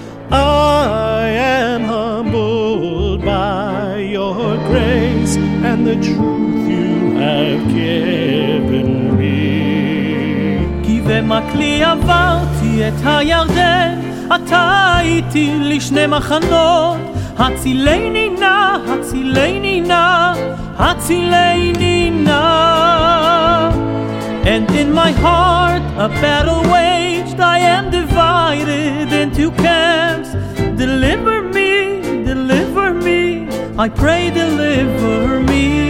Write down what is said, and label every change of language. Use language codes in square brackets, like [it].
[en] I am humbled by your grace and the truth you have given me. [he] כי במקלי עברתי את הירדן, אתה הייתי לשני מחנות. הצילני נא, הצילני נא, הצילני נא. [en] And in my heart a battle waged, I am divided into camps. Deliver me, deliver me, I pray deliver me.